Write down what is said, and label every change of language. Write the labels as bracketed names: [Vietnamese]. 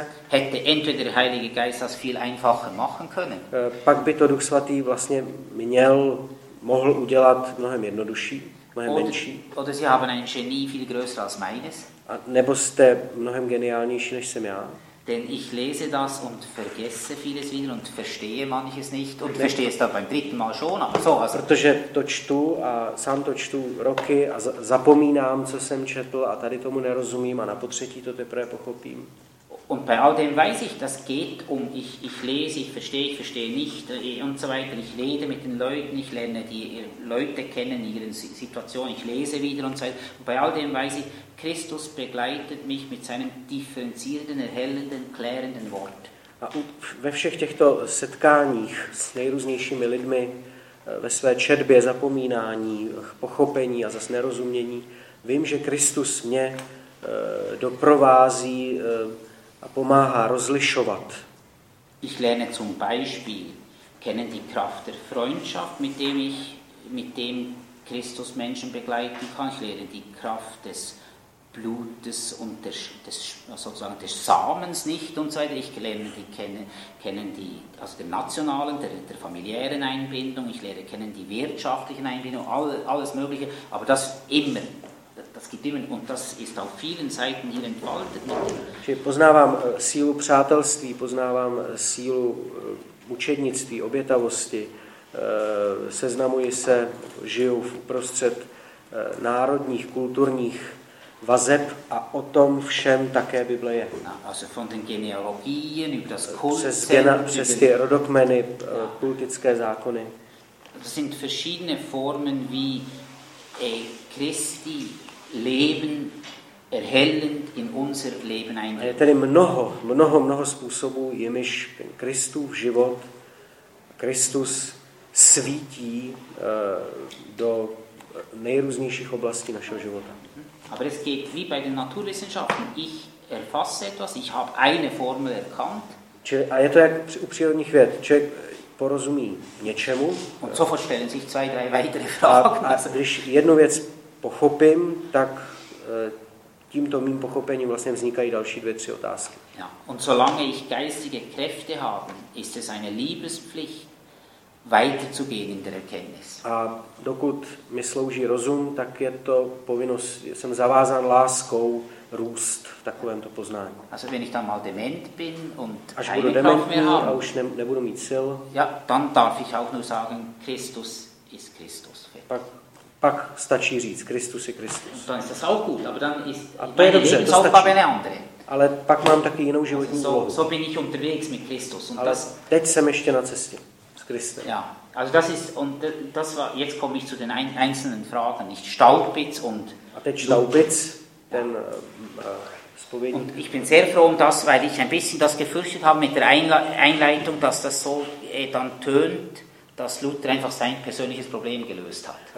[German] hätte entweder der Heilige Geist das viel einfacher machen können. [Czech] Pak by to Duch Svatý vlastně mohl udělat mnohem jednodušší, mnohem menší. [German] Oder Sie haben ein Genie viel größer als meines. [Czech] A nebo jste mnohem geniálnější než jsem já. [German] Denn ich lese das und vergesse vieles wieder und verstehe manches nicht und verstehe es dann beim dritten Mal schon. [Czech] Protože to čtu a sám to čtu roky a zapomínám, co jsem četl a tady tomu nerozumím a na potřetí to teprve pochopím. [German] Und bei all dem weiß ich, das geht um, ich lese, ich verstehe nicht und so weiter. Ich rede mit den Leuten, ich lerne die Leute kennen, ihre Situation, ich lese wieder und so weiter. Und bei all dem weiß ich, Christus begleitet mich mit seinem differenzierenden, erhellenden, klärenden Wort. [Czech] A ve všech těchto setkáních s nejrůznějšími lidmi, ve své četbě, zapomínání, pochopení a zase nerozumění, vím, že Kristus mě doprovází a pomáhá rozlišovat. [German] Ich lerne zum Beispiel kennen die Kraft der Freundschaft, mit dem Christus Menschen begleiten kann. Ich lerne die Kraft des Blutes und des sozusagen des Samens nicht und so weiter. Ich lerne die kennen die also der nationalen, der familiären Einbindung. Ich lerne kennen die wirtschaftlichen Einbindung, alles Mögliche. Aber das immer. Und das ist auf vielen Seiten hier entfaltet. [Czech] Čili poznávám sílu přátelství, poznávám sílu učednictví, obětavosti, seznamuji se, žiju v uprostřed národních, kulturních vazeb a o tom všem také Bible je. [German] Also von den Genealogien, über das Kult, [Czech] přes ty rodokmeny, kultické zákony. [German] To sind verschiedene Formen wie Christi Leben erhellend in unser Leben einbringen. [Czech] Je tedy mnoho způsobů, jimiž Kristův život, Kristus svítí do nejrůznějších oblastí našeho života. [German] Aber es geht wie bei den Naturwissenschaften. Ich erfasse etwas, ich habe eine Formel erkannt. [Czech] A je to jak u přírodních věd. Člověk porozumí něčemu. [German] Und sofort stellen sich zwei, drei weitere Fragen. [Czech] A když jednu věc pochopím, tak tímto mým pochopením vlastně vznikají další dvě, tři otázky. [German] Ja. Und solange ich geistige Kräfte haben, ist es eine Liebespflicht, weiterzugehen in der Erkenntnis. [Czech] A dokud mi slouží rozum, tak je to povinnost, jsem zavázán láskou růst v takovémto poznání. [German] Also wenn ich dann mal dement bin und [Czech] až budu dementní a už nebudu mít sil, [German] ja, dann darf ich auch nur sagen, Christus ist Christus. [Czech] Pak stačí říct, Kristus je Kristus. [German] Dann ist das auch gut, aber dann ist [Czech] a to je dobře, to stačí. Ale pak mám taky jinou životní úlohu. [German] So bin ich unterwegs mit Christus. [Czech] Und ale teď jsem ještě na cestě s Kristem. [German] Ja, also das ist, und das war, jetzt komme ich zu den einzelnen Fragen, nicht Staubitz und... [Czech] A teď Staubitz, ten... [German] Und ich bin sehr froh um das, weil ich ein bisschen das gefürchtet habe mit der Einleitung, dass das so dann tönt, dass Luther einfach sein persönliches Problem gelöst hat.